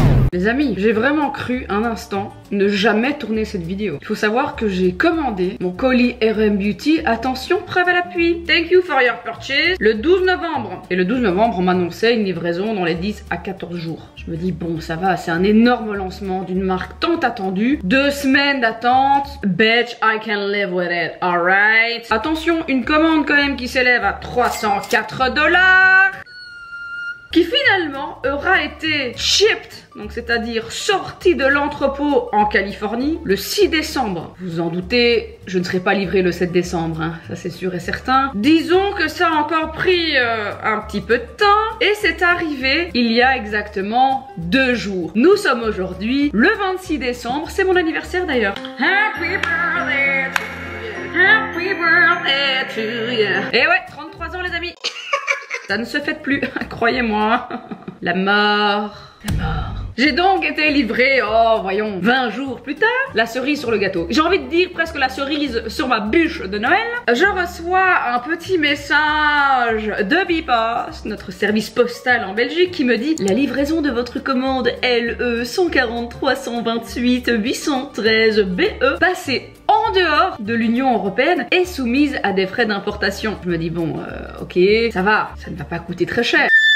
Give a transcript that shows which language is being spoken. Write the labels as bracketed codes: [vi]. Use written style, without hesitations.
[fr] Les amis, j'ai vraiment cru un instant ne jamais tourner cette vidéo. Il faut savoir que j'ai commandé mon colis RM Beauty, attention, preuve à l'appui. [en] Thank you for your purchase, [fr] le 12 novembre. Et le 12 novembre, on m'annonçait une livraison dans les 10 à 14 jours. Je me dis, bon, ça va, c'est un énorme lancement d'une marque tant attendue. 2 semaines d'attente. [en] Bitch, I can live with it, alright. [fr] Attention, une commande quand même qui s'élève à 304 $. Qui finalement aura été shipped, donc c'est-à-dire sorti de l'entrepôt en Californie, le 6 décembre. Vous vous en doutez, je ne serai pas livré le 7 décembre, hein, ça c'est sûr et certain. Disons que ça a encore pris un petit peu de temps, et c'est arrivé il y a exactement 2 jours. Nous sommes aujourd'hui le 26 décembre, c'est mon anniversaire d'ailleurs. [en] Happy birthday to you, happy birthday to you. [fr] Et ouais, 33 ans les amis. Ça ne se fait plus, croyez-moi. La mort. La mort. J'ai donc été livrée, oh voyons, 20 jours plus tard, la cerise sur le gâteau. J'ai envie de dire presque la cerise sur ma bûche de Noël. Je reçois un petit message de Bipost, notre service postal en Belgique, qui me dit « La livraison de votre commande LE 143-128-813-BE passée en dehors de l'Union Européenne est soumise à des frais d'importation. » Je me dis bon, ok, ça va, ça ne va pas coûter très cher.